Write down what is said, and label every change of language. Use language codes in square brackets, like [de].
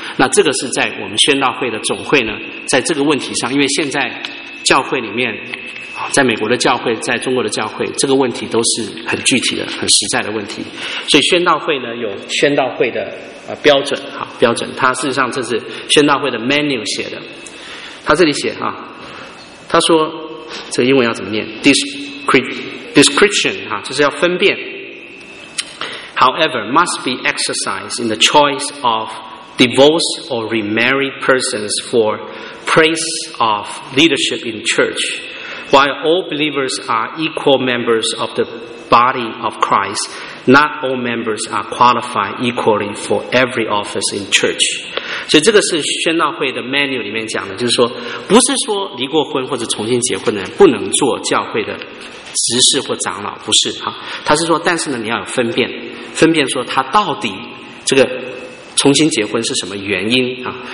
[zh] 那这个是在我们宣道会的总会呢，在这个问题上，因为现在教会里面，在美国的教会，在中国的教会，这个问题都是很具体的、很实在的问题，所以宣道会呢有宣道会的标准，好标准，它事实上这是宣道会的 menu 写的。他这里写啊，他说这个英文要怎么念 ？description 啊，就是要分辨。 [en] However, must be exercised in the choice of divorced or remarried persons for place of leadership in church. While all believers are equal members of the body of Christ, not all members are qualified equally for every office in church. [zh] 所以这个是宣道会的 manual 里面讲的，就是说，不是说离过婚或者重新结婚的人不能做教会的执事或长老，不是哈，他是说，但是呢，你要有分辨。分辨说他到底这个重新结婚是什么原因啊？